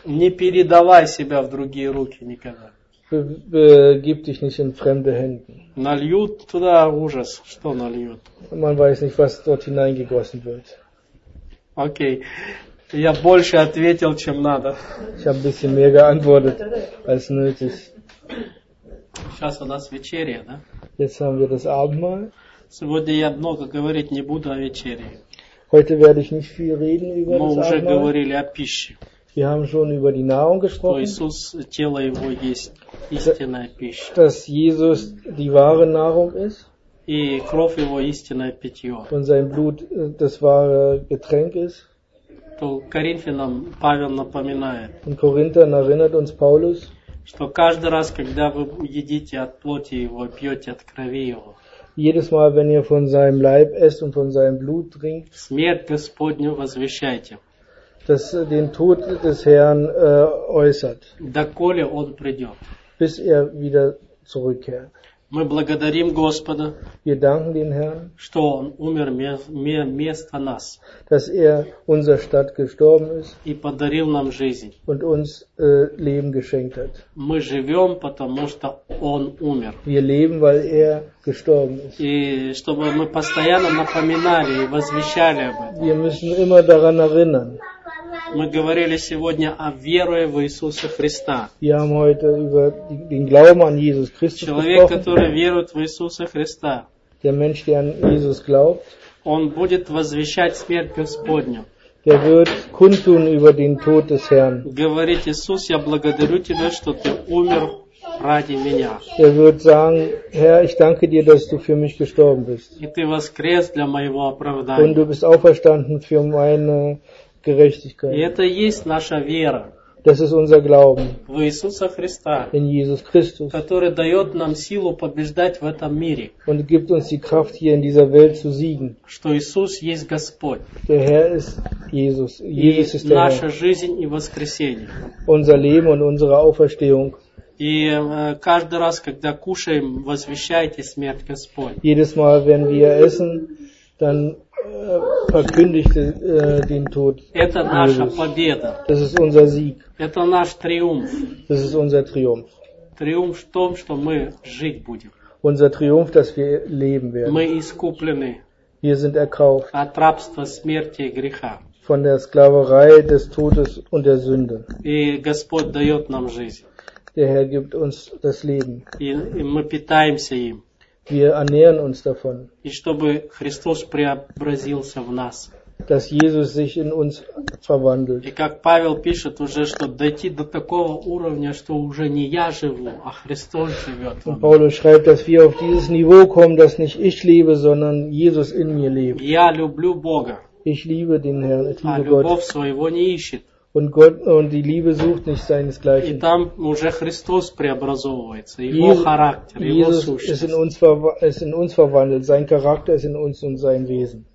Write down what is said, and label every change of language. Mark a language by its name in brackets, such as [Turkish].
[Russian] Не передавай себя в другие руки никогда. [German] Gib dich nicht in fremde Händen. [Russian] Нальют туда ужас, что нальют. [German] Man weiß nicht, was dort hineingegossen wird. Okay. [Russian] Я больше ответил, чем надо. [German] Ich habe ein bisschen mehr geantwortet als nötig. [Russian] Сейчас у нас вечеря, да? [German] Jetzt haben wir das Abendmahl. [Russian] Сегодня я много говорить не буду о вечере. [German] Heute werde ich nicht viel reden über [Russian] Мы [German] das Abendmahl. [Russian] Мы уже говорили о пище. [German] Wir haben schon über die Nahrung gesprochen. [Russian] Иисус, тело его есть истинная пища. [German] Dass Jesus die wahre Nahrung ist. [Russian] И кровь его истинное питье. [German] Und sein Blut das wahre Getränk ist. [Russian] То Коринфянам Павел напоминает. [German] In Korinthern erinnert uns Paulus. [Russian] Что каждый раз, когда вы едите от плоти его, пьете от крови его. [German] Jedes Mal, wenn ihr von seinem Leib esst und von seinem Blut trinkt. [Russian] Смерть Господню возвещайте. [German] Das den Tod des Herrn äußert. [Russian] Доколе он придет. [German] Bis er wieder zurückkehrt. [Russian] Мы благодарим Господа. [German] Wir danken den Herrn. [Russian] Что он умер вместо нас. [German] Dass er unser Stadt gestorben ist. [Russian] И подарил нам жизнь. [German] Und uns Leben geschenkt hat. [Russian] Мы живем, потому что он умер. [German] Wir leben, weil er gestorben ist. [Russian] И чтобы мы постоянно напоминали и возвещали об этом. [German] Wir müssen immer daran erinnern. [Russian] Мы говорили сегодня о вере в Иисуса Христа. [German] Wir haben heute über den Glauben an Jesus Christus [Russian] Человек, [German] gesprochen. [Russian] Который верует в Иисуса Христа. [German] Der Mensch, der an Jesus glaubt. [Russian] Он будет возвещать смерть Господню. [German] Der wird kundtun über den Tod des Herrn. [Russian] Говорит Иисус, я благодарю тебя, что ты умер ради меня. [German] Er wird sagen, Herr, ich danke dir, dass du für mich gestorben bist. [Russian] И ты воскрес для моего оправдания. [German] Und du bist auferstanden für meine Gerechtigkeit. [Russian] И это есть наша вера. [German] Das ist unser Glauben. [Russian] В Иисуса Христа. [German] In Jesus Christus. [Russian] Который дает нам силу побеждать в этом мире. [German] Und gibt uns die Kraft hier in dieser Welt zu siegen. [Russian] Что Иисус есть Господь. [German] Der Herr ist Jesus. Jesus ist der [Russian] наша [German] Herr. [Russian] Жизнь и воскресение. [German] Unser Leben und unsere Auferstehung. [Russian] И каждый раз, когда кушаем, возвещайте смерть Господь. [German] Jedes Mal, wenn wir essen, dann verkündigte den Tod. [Russian] Это наша победа. [German] Das ist unser Sieg. [Russian] Это наш триумф. [German] Das ist unser Triumph. [Russian] Триумф в том, что мы жить будем. [German] Unser Triumph, dass wir leben werden. [Russian] Мы искуплены. [German] Wir sind erkauft. [Russian] От рабства смерти и греха. [German] Von der Sklaverei des Todes und der Sünde. [Russian] И Господь дает нам жизнь. [German] Der Herr gibt uns das Leben. [Russian] И мы питаемся им. [German] Wir ernähren uns davon. [Russian] И чтобы Христос преобразился в нас. [German] Dass Jesus sich in uns verwandelt. [Russian] И как Павел пишет уже, что дойти до такого уровня, что уже не я живу, а Христос живет. [German] Und Paulus schreibt, dass wir auf dieses Niveau kommen, dass nicht ich lebe, sondern Jesus in mir lebt. [Russian] Я люблю Бога. [German] Ich liebe den Herrn, ich liebe а Gott. [Russian] Любовь своего не ищет. [German] Und Gott und die Liebe sucht nicht seinesgleichen. [Russian] И там уже Христос преобразовывается, его характер, его сущность. [German] Jesus ist in uns verwandelt, sein Charakter ist in uns und sein Wesen.